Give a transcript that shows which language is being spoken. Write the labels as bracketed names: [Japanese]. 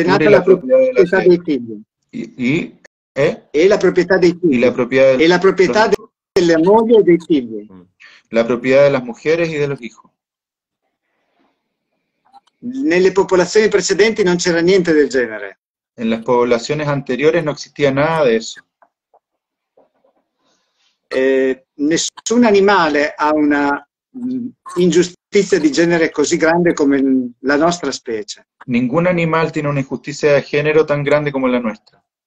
[Italian] È nata la proprietà dei figli. E la proprietà dei figli. La proprietà e la proprietà delle mogli e dei figli. La proprietà delle mujeres e dei figli. Nelle popolazioni precedenti non c'era niente del genere. [Spanish] En las poblaciones anteriores no existía nada de eso. [Italian] Nessun animale ha una ingiustizia di genere così grande come la nostra specie. [Spanish] Ningún animal tiene una injusticia de género tan grande como la nuestra.